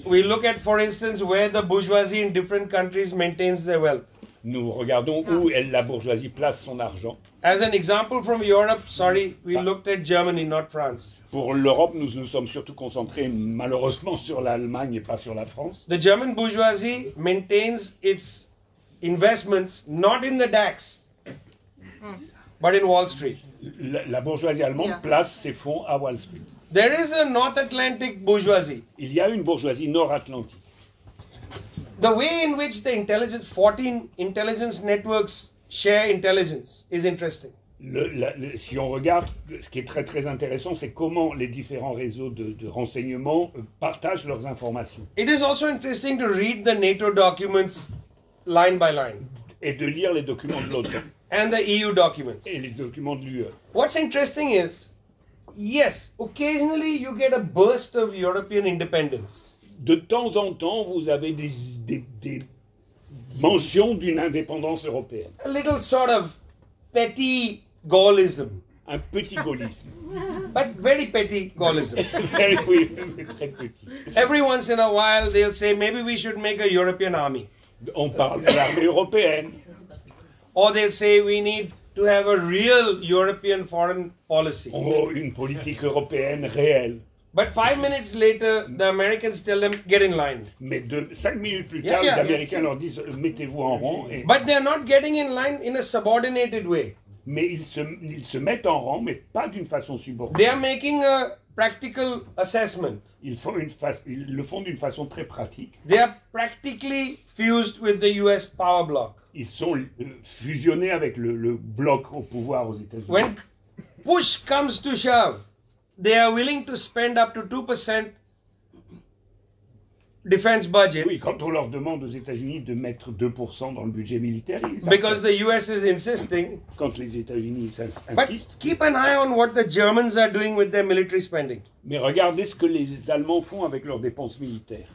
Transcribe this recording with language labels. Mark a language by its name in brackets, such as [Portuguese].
[English] We look at, for instance, where the bourgeoisie in different countries maintains their wealth. [French] nous regardons où elle, la bourgeoisie place son argent. [English] As an example from Europe, sorry, we looked at Germany, not France. [French] Pour l'Europe, nous nous sommes surtout concentrés malheureusement sur l'Allemagne et pas sur la France. [English] The German bourgeoisie maintains its investments not in the DAX, but in Wall Street. [French] La bourgeoisie allemande place ses fonds à Wall Street. [English] There is a North Atlantic bourgeoisie. [French] Il y a une bourgeoisie nord-atlantique. [English] The way in which the intelligence, 14 intelligence networks share intelligence is interesting. [French] Si on regarde, ce qui est très très intéressant, c'est comment les différents réseaux de renseignement partagent leurs informations. [English] It is also interesting to read the NATO documents line by line. [French] Et de lire les documents de l'OTAN. [English] And the EU documents. [French] Et les documents de l'UE. [English] What's interesting is, yes, occasionally you get a burst of European independence. [French] De temps en temps, vous avez des mentions d'une indépendance européenne. [English] A little sort of petty Gaullism. [French] Un petit gaullisme. [English] But very petty Gaullism. Very, [French] oui, très petit. [English] Every once in a while, they'll say, maybe we should make a European army. [French] On parle de l'armée européenne. [English] Or they'll say, we need to have a real European foreign policy. [French] Oh, une politique européenne réelle. [English] But 5 minutes later, the Americans tell them, get in line. [French] Mais de, 5 minutes plus tard, [English] yeah, yeah, [French] les Américains leur disent, mettez-vous en rang. Et... [English] But they're not getting in line in a subordinated way. [French] Mais ils se mettent en rang, mais pas d'une façon subordonnée. [English] They are making a practical assessment. [French] Ils le font d'une façon très pratique. [English] They are practically fused with the US power block. [French] Ils sont fusionnés avec le bloc au pouvoir aux États-Unis. [English] When push comes to shove, they are willing to spend up to 2% defense budget. [French] Oui, quand on leur demande aux États-Unis de mettre 2% dans le budget militaire, ils acceptent. [English] Because the US is insisting. [French] Quand les États-Unis insistent. [English] But keep an eye on what the Germans are doing with their military spending. [French] Mais regardez ce que les Allemands font avec leurs dépenses militaires.